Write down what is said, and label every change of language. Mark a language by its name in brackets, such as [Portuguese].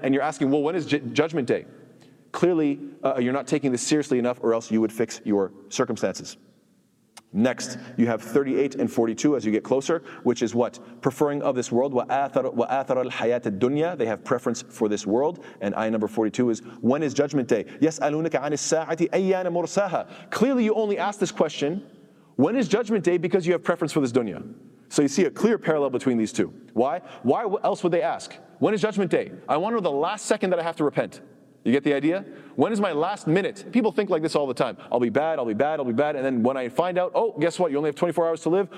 [English] And you're asking, well, when is Judgment Day? Clearly, you're not taking this seriously enough, or else you would fix your circumstances. Next, you have 38 and 42 as you get closer, which is what? Preferring of this world. [Arabic] وآثر الحياة الدنيا. [English] They have preference for this world. And ayah number 42 is, when is Judgment Day? [Arabic] يسألونك عن الساعة أيان مرساها. [English] Clearly, you only ask this question, when is Judgment Day? Because you have preference for this dunya. So you see a clear parallel between these two. Why? Why else would they ask? When is Judgment Day? I want to know the last second that I have to repent. You get the idea? When is my last minute? People think like this all the time. I'll be bad. And then when I find out, oh, guess what? You only have 24 hours to live.